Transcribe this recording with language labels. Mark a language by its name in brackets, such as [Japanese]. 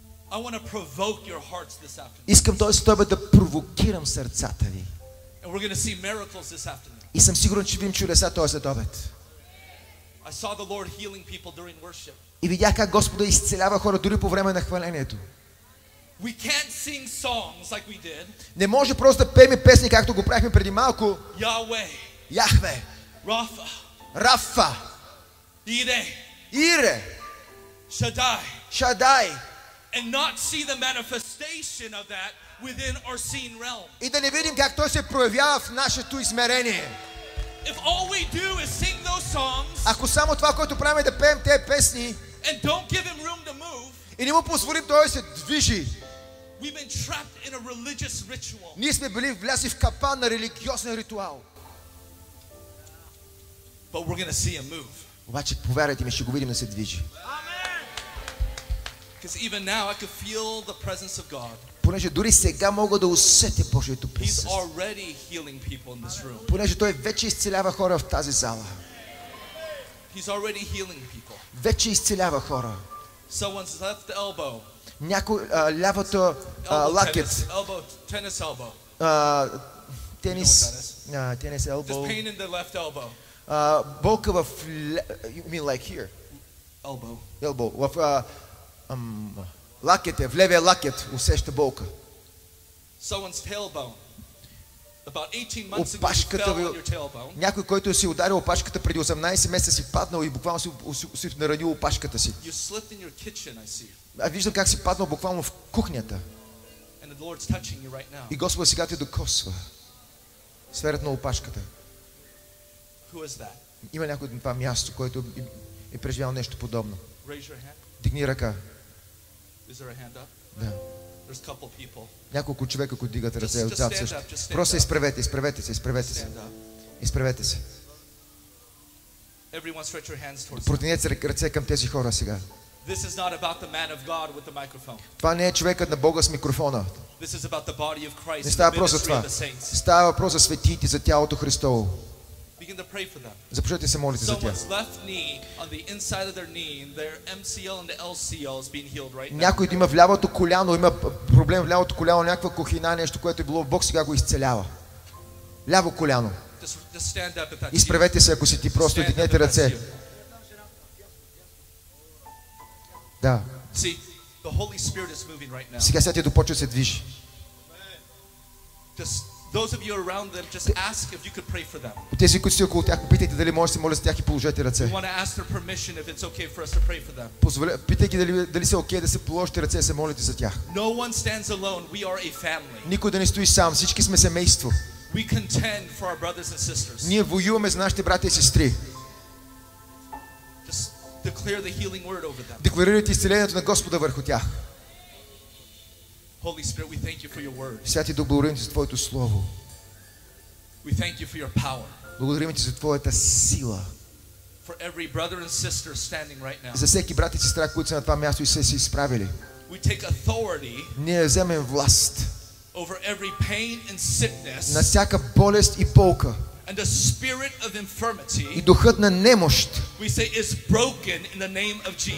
[English] I want to provoke your hearts this afternoon. [Bulgarian] Искам този стобе да провокирам сърцата ви. [English] And we're going to see miracles this afternoon. [Bulgarian] И съм сигурен, че видим чудеса този следобед. [English] I saw the Lord healing people during worship. [Bulgarian] И видях как Господа изцелява хора дори по време на хвалението. [English] We can't sing songs like we did. [Bulgarian] Не може просто да пеем песни, както го правихме преди малко. [English] Yahweh. [Bulgarian] Яхве. [English] Rafa. [Bulgarian] Рафа. Ире. Ире. [English] Shaddai. [Bulgarian] Shaddai. [English] And not see the manifestation of that within our seen realm. [Bulgarian] И да не видим как той се проявява в нашето измерение. [English] If all we do is sing those songs. [Bulgarian] Ако само това, което правим, е да пеем тези песни. [English] And don't give him room to move. [Bulgarian] И не му позволим той да се движи. [English] We've been trapped in a religious ritual. [Bulgarian] Ние сме били влязли в капан на религиозен ритуал. [English] But we're gonna see him move. [Bulgarian] Обаче повярвайте ми, ще го видим да се движи. [English] Because even now I could feel the presence of God. [Bulgarian] Понеже дори сега мога да усетя Божието присъствие. [English] He's already healing people in this room. [Bulgarian] Понеже той вече изцелява хора в тази зала. [English] He's already healing people. [Bulgarian] Вече изцелява хора. [English] Someone's left the elbow. [Bulgarian] Някой лявото лакет. [English] Elbow, tennis elbow. [Bulgarian] Тенис. Тенис елбо. [English] Just pain in the left elbow. [Bulgarian] болка в [English] you mean like here? Elbow. [Bulgarian] В лакете, в левия лакет усеща болка. [English] Someone's tailbone. About 18 months ago, [Bulgarian] опашката ви, някой, който си ударил опашката преди 18 месеца, си паднал и буквално си наранил опашката си. [English] You slipped in your kitchen, I see. [Bulgarian] А виждам как си паднал буквално в кухнята. [English] And the Lord's touching you right now. [Bulgarian] И Господ сега те докосва. Сферът на опашката. [English] Who is that? [Bulgarian] Има някой на това място, който е преживял нещо подобно. [English] Raise your hand. [Bulgarian] Дигни ръка. [English] Is there a hand up? [Bulgarian] Да. [English] There's a couple people. [Bulgarian] Няколко човека, които дигат ръце отзад също. Просто изправете се. [English] Everyone stretch your hands towards. [Bulgarian] Протегнете ръце към тези хора сега. [English] This is not about the man of God with the microphone. [Bulgarian] Това не е човекът на Бога с микрофона. [English] This is about the body of Christ. [Bulgarian] Не става въпрос за това. Става въпрос за светиите, за тялото Христово. [English] Begin to pray for them. [Bulgarian] Започнете се молите за тях. [English] Someone's left knee on the inside of their knee, their MCL and the LCL is being healed right now. [Bulgarian] Някой има в лявото коляно, има проблем в лявото коляно, някаква кухина, нещо, което е било в Бог, сега го изцелява. Ляво коляно. [English] Just stand up if that's you. [Bulgarian] Изправете се, ако си ти, просто дигнете ръце. Да. [English] See, the Holy Spirit is moving right now. [Bulgarian] Сега сетя започва се движи. [English] Just those of you around them, just ask if you could pray for them. [Bulgarian] Тези, които сте около тях, попитайте дали можете да се молите за тях и положете ръце. [English] We want to ask their permission if it's okay for us to pray for them. [Bulgarian] Питайки дали се окей да се положите ръце и се молите за тях. [English] No one stands alone. We are a family. [Bulgarian] Никой да не стои сам. Всички сме семейство. [English] We contend for our brothers and sisters. [Bulgarian] Ние воюваме за нашите братя и сестри. [English] Declare the healing word over them. [Bulgarian] Декларирайте исцелението на Господа върху тях. [English] Holy Spirit, we thank you for your word. [Bulgarian] Святи Дух, благодарим ти за твоето слово. [English] We thank you for your power. [Bulgarian] Благодарим ти за твоята сила. [English] For every brother and sister standing right now. [Bulgarian] За всеки брат и сестра, които са на това място и са се изправили. [English] We take authority. [Bulgarian] Ние вземем власт. [English] Over every pain and sickness. [Bulgarian] На всяка болест и болка. [English] And the spirit of infirmity. [Bulgarian] И духът на немощ. [English] We say is broken in the name of Jesus.